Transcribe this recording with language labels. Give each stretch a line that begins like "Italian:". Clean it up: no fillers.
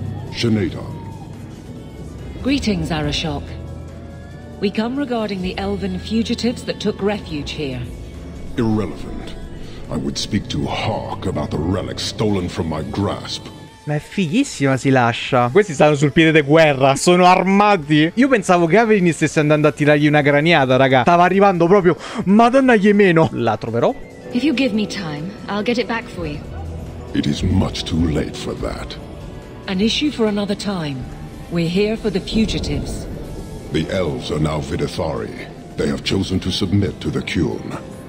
English: Shenadon. Greetings, Arishok. We come regarding the elven fugitives that took refuge here. Irrelevant. I would speak to Hawk about the relics stolen from my grasp.
Italian: Ma è fighissima, si lascia. Questi stanno sul piede di guerra, sono armati. Io pensavo che Aveline stesse andando a tirargli una graniata, raga. Stava arrivando proprio, madonna Yemeno. La troverò.
English: If you give me time, I'll get it back for you. It is much too late for that. An issue for another time. We're here for the fugitives. The elves are now Vidithari. They have chosen to submit to the Kyun.